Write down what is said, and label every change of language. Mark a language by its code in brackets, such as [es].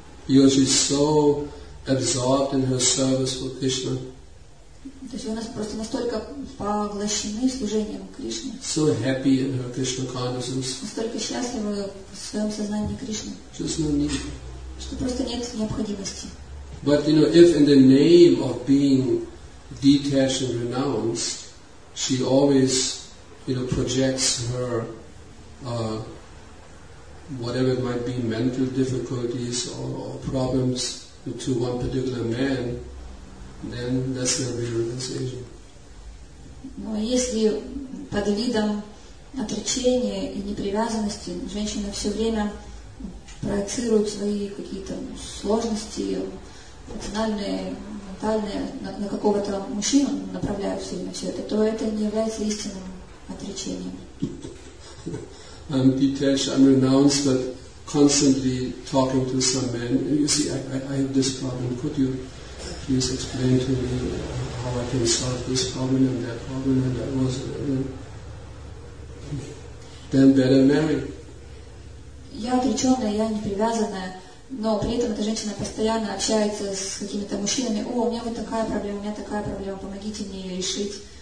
[en] Because she's so absorbed in her service for Krishna. [ru] То есть у нас просто настолько поглощены служением Кришне. [en] So happy in her Krishna consciousness. [ru] Настолько счастлива в своем сознании Кришны. [en] Just no need. [ru] Что просто нет необходимости. [en] But you know, if in the name of being detached and renounced, she always, you know, projects her whatever it might be, mental difficulties or problems to one particular man, then that's not the realization. [ru] Но если под видом отречения и непривязанности женщина все время проецирует свои какие-то сложности, эмоциональные, ментальные на какого-то мужчину, направляя все время все это, то это не является истинным отречением. [en] I'm detached, I'm renounced, but constantly talking to some man. You see, I have this problem. Could you please explain to me how I can solve this problem and that problem and that was then better marry. [ru] Я отреченная, я не привязанная, но при этом эта женщина постоянно общается с какими-то мужчинами. О, у меня вот такая проблема, у меня такая проблема, помогите мне ее решить.